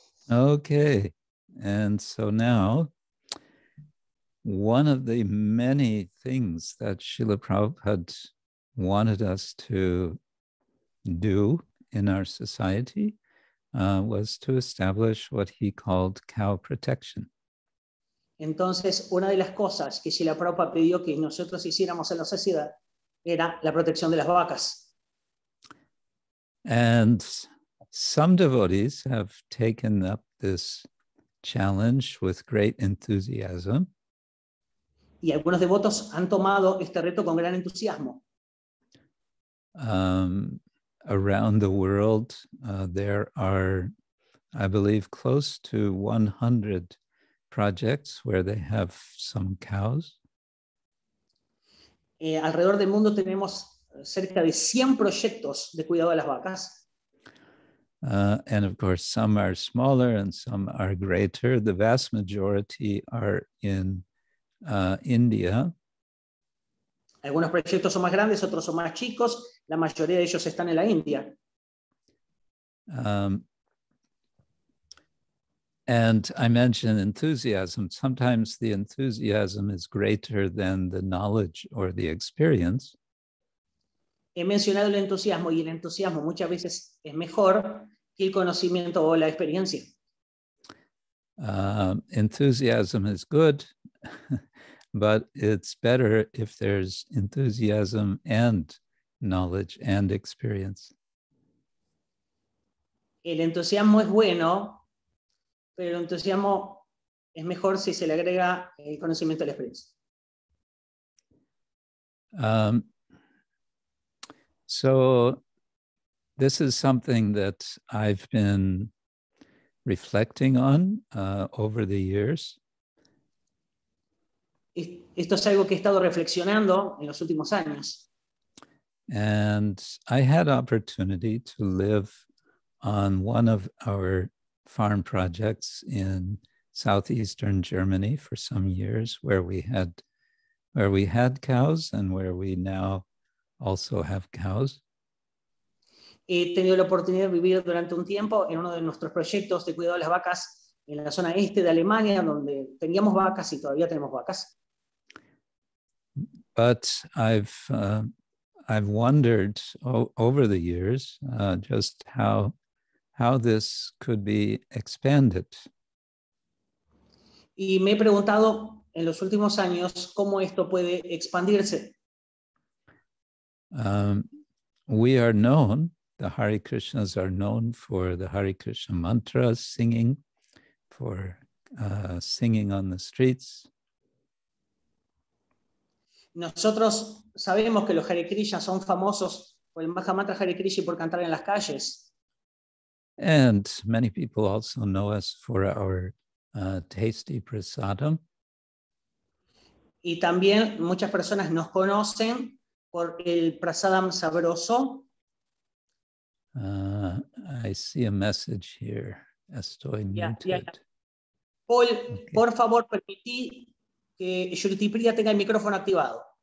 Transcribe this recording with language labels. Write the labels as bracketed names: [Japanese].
[English] Okay, and so now, one of the many things that Srila Prabhupada wanted us to do in our society was to establish what he called cow protection. [Spanish] Entonces, una de las cosas que Srila Prabhupada pidió que nosotros hiciéramos en la sociedad era la protección de las vacas. [English] And some devotees have taken up this challenge with great enthusiasm. [Spanish] Y algunos devotos han tomado este reto con gran entusiasmo. [English] Around the world, there are, I believe, close to 100 projects where they have some cows. [Spanish] Alrededor del mundo tenemos cerca de 100 proyectos de cuidado de las vacas. [English] And of course, some are smaller and some are greater. The vast majority are in India. [Spanish] Algunos proyectos son más grandes, otros son más chicos. La mayoría de ellos están en la India. [English] And I mentioned enthusiasm. Sometimes the enthusiasm is greater than the knowledge or the experience. [Spanish] He mencionado el entusiasmo, y el entusiasmo muchas veces es mejor que el conocimiento o la experiencia. [English] Enthusiasm is good. But it's better if there's enthusiasm and knowledge and experience. [Spanish] El entusiasmo es bueno, pero el entusiasmo es mejor si se le agrega el conocimiento de la experiencia. [English] So this is something that I've been reflecting on over the years. [Spanish] Esto es algo que he estado reflexionando en los últimos años. [English] And I had opportunity to live on one of our farm projects in southeastern Germany for some years, where we had cows and where we now also have cows. [Spanish] He tenido la oportunidad de vivir durante un tiempo en uno de nuestros proyectos de cuidado de las vacas en la zona este de Alemania, donde teníamos vacas y todavía tenemos vacas. [English] But I've wondered over the years just how this could be expanded. [Spanish] Y me he preguntado en los últimos años cómo esto puede expandirse. [English] We are known, the Hare Krishnas are known for the Hare Krishna mantra singing, for singing on the streets. [Spanish] Nosotros sabemos que los Hare Krishnas son famosos por el Mahamantra Hare Krishna y por cantar en las calles. [English] And many people also know us for our tasty prasadam. [Spanish] Y también muchas personas nos conocen por el prasadam sabroso. [English] I see a message here. [Spanish] Estoy [English] muted. Paul, okay. [Spanish] Por favor, permití que Shruti Priya tenga el micrófono activado.